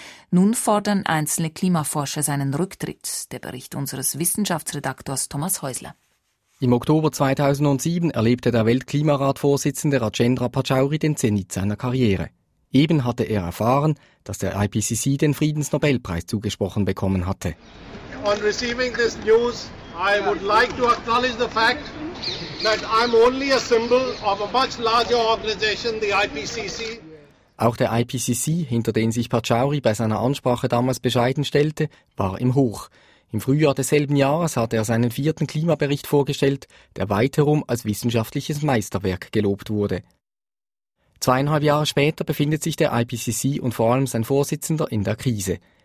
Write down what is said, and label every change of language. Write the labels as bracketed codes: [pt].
[de] Nun fordern einzelne Klimaforscher seinen Rücktritt, der Bericht unseres Wissenschaftsredaktors Thomas Häusler. Im Oktober 2007 erlebte der Weltklimaratvorsitzende Rajendra Pachauri den Zenit seiner Karriere. Eben hatte er erfahren, dass der IPCC den Friedensnobelpreis zugesprochen bekommen hatte. [en] On receiving this news, I would like to acknowledge the fact that I'm only a symbol of a much larger organization, the IPCC. [de] Auch der IPCC, hinter den sich Pachauri bei seiner Ansprache damals bescheiden stellte, war im Hoch. Im Frühjahr desselben Jahres hatte er seinen vierten Klimabericht vorgestellt, der weiterum als wissenschaftliches Meisterwerk gelobt wurde. 2,5 Jahre später befindet sich der IPCC und vor allem sein Vorsitzender in der Krise.